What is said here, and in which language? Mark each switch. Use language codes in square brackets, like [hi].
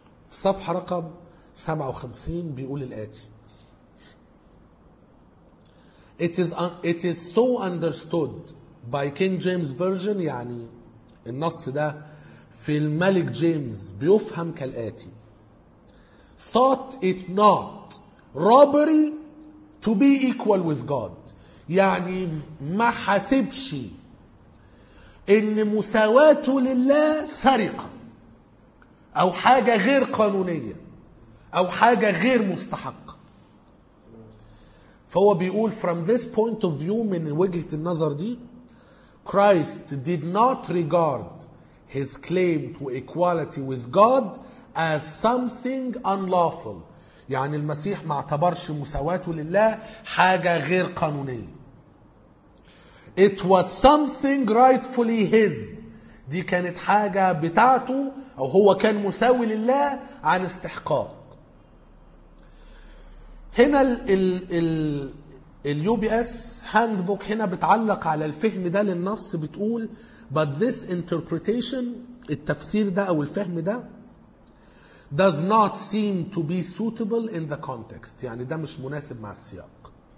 [ar] في صفحة رقم 57 بيقول الآتي: [en] It is so understood by King James Version، [ar] يعني النص ده في الملك جيمز بيفهم كالآتي: [en] Thought it not robbery to be equal with God، [ar] يعني ما حاسبش ان مساواته لله سرقة او حاجة غير قانونية او حاجة غير مستحقة. فهو بيقول [en] from this point of view، [ar] من وجهة النظر دي، [en] Christ did not regard his claim to equality with God as something unlawful، [ar] يعني المسيح ما اعتبرش مساواته لله حاجة غير قانونية. [en] It was something rightfully his، [ar] دي كانت حاجة بتاعته أو هو كان مساوي لله عن استحقاق. هنا الـ UBS handbook هنا بتعلق على الفهم ده للنص، بتقول [en] But this interpretation، [ar] التفسير ده أو الفهم ده، [en] does not seem to be suitable in the context، [ar] يعني ده مش مناسب مع السياق.